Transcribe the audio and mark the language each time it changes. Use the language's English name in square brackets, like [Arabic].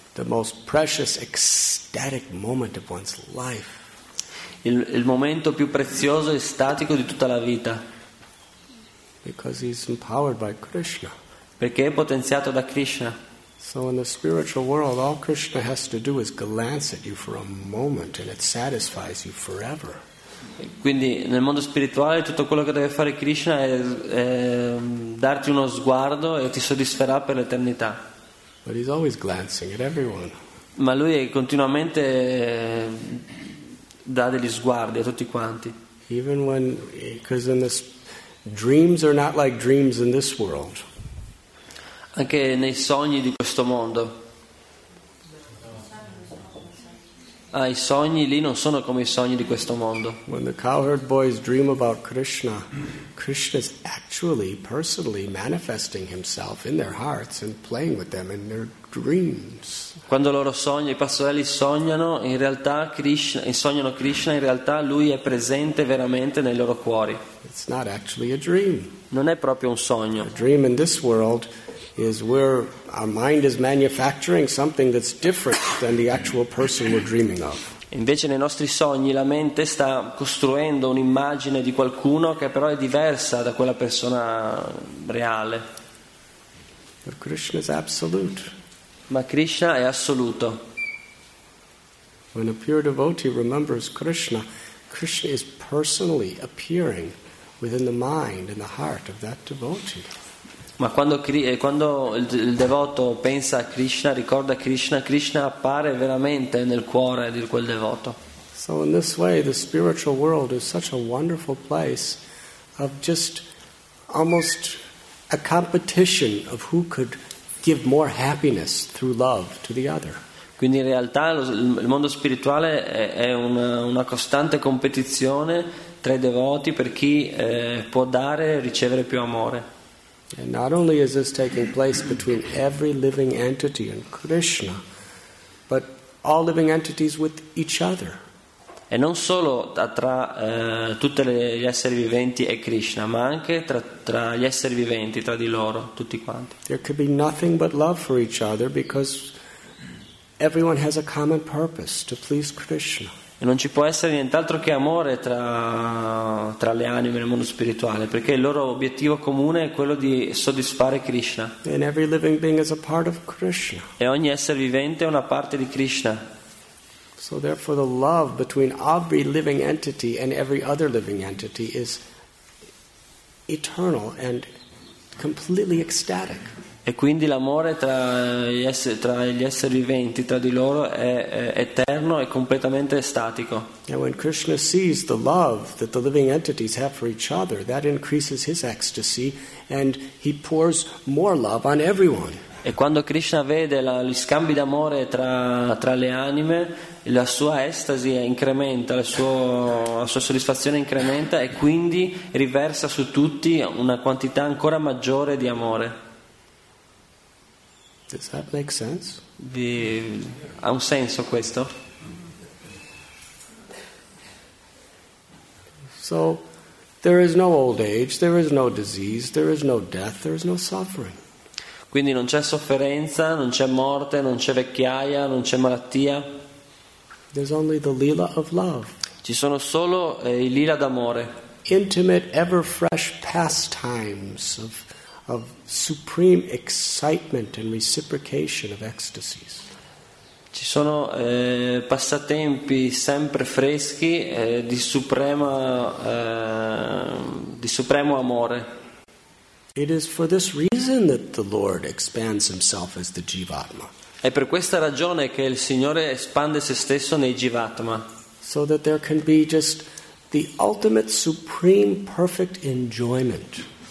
[English] The most precious ecstatic moment of one's life. [Italian] Il momento più prezioso e estatico di tutta la vita. [English] Because he's empowered by Krishna. [Italian] Perché è potenziato da Krishna. [English] So in the spiritual world, all Krishna has to do is glance at you for a moment, and it satisfies you forever. [Italian] Quindi nel mondo spirituale tutto quello che deve fare Krishna è darti uno sguardo e ti soddisferà per l'eternità. [English] But he's always glancing at everyone. [Italian] Ma lui è continuamente dà degli sguardi a tutti quanti. [English] Even when, because in this, dreams are not like dreams in this world. [Italian] Anche nei sogni di questo mondo. Ah, i sogni lì non sono come i sogni di questo mondo. [English] When the cowherd boys dream about Krishna, Krishna is actually personally manifesting himself in their hearts and playing with them in their dreams. [Italian] Quando loro sognano, i pastorelli sognano, in realtà Krishna, sognano Krishna, in realtà lui è presente veramente nei loro cuori. [English] It's not actually a dream. [Italian] Non è proprio un sogno. [English] A dream in this world is where our mind is manufacturing something that's different than the actual person we're dreaming of. [Italian] Invece nei nostri sogni la mente sta costruendo un'immagine di qualcuno che però è diversa da quella persona reale. [English] But Krishna is absolute. [Italian] Ma Krishna è assoluto. [English] When a pure devotee remembers Krishna, Krishna is personally appearing within the mind and the heart of that devotee. [Italian] Ma quando il devoto pensa a Krishna, ricorda Krishna, Krishna appare veramente nel cuore di quel devoto. [English] So in this way the spiritual world is such a wonderful place of just almost a competition of who could give more happiness through love to the other. [Italian] Quindi in realtà il mondo spirituale è una costante competizione tra i devoti per chi può dare e ricevere più amore. [English] And not only is this taking place between every living entity and Krishna, but all living entities with each other. [Italian] E non solo tra tutte gli esseri viventi e Krishna, ma anche tra gli esseri viventi, tra di loro, tutti quanti. [English] There could be nothing but love for each other because everyone has a common purpose to please Krishna. [Italian] E non ci può essere nient'altro che amore tra le anime nel mondo spirituale, perché il loro obiettivo comune è quello di soddisfare Krishna. [English] And every living being is a part of Krishna. [Italian] E ogni essere vivente è una parte di Krishna. [English] So therefore the love between every living entity and every other living entity is eternal and completely ecstatic. [Italian] E quindi l'amore tra gli esseri viventi, tra di loro, è eterno e completamente statico. [English] And when Krishna sees the love that the living entities have for each other, that increases his ecstasy and he pours more love on everyone. [Italian] E quando Krishna vede gli scambi d'amore tra le anime, la sua estasi incrementa, la sua soddisfazione incrementa e quindi riversa su tutti una quantità ancora maggiore di amore. [English] Does that make sense? [Italian] Ha un senso questo? [English] So, there is no old age, there is no disease, there is no death, there is no suffering. [Italian] Quindi non c'è sofferenza, non c'è morte, non c'è vecchiaia, non c'è malattia. [English] There's only the lila of love. [Italian] Ci sono solo i lila d'amore. [English] Intimate, ever fresh pastimes of supreme excitement and reciprocation of ecstasies. [Italian] Ci sono passatempi sempre freschi di supremo amore. [English] It is for this reason that the Lord expands himself as the Jivatma. [Italian] È per questa ragione che il Signore espande se stesso nei Jivatma. [English] So that there can be just the ultimate, supreme, perfect enjoyment.